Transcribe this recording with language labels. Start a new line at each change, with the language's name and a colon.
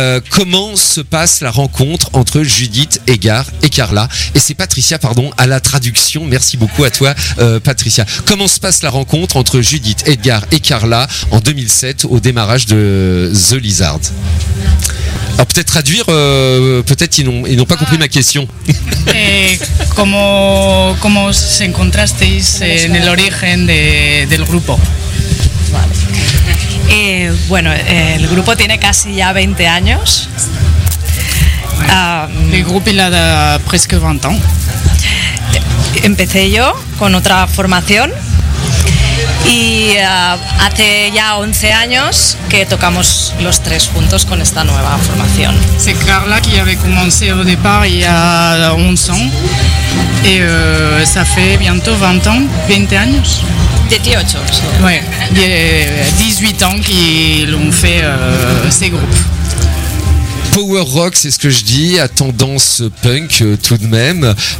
French: Comment se passe la rencontre entre Judith, Edgar et Carla? Et c'est Patricia, pardon, à la traduction. Merci beaucoup à toi, Patricia. Comment se passe la rencontre entre Judith, Edgar et Carla en 2007 au démarrage de The Lizard? Alors peut-être traduire, peut-être ils n'ont pas compris ma question. Comment
Spanish: se encontrasteis en el origen del grupo? Vale. Bueno, el grupo tiene casi ya 20 años. El grupo
French: il a presque 20 ans.
Spanish: Empecé yo con otra formación. Y hace ya 11 años que tocamos los tres juntos con esta nueva formación.
French: C'est Carla qui avait commencé au départ il y a 11 ans. Et ça fait bientôt 20 ans,
Spanish: 20 años. 18, sí.
French: Ouais, 18 ans qui l'ont fait ces groupes. Power rock, c'est ce que je dis, à tendance punk tout de même.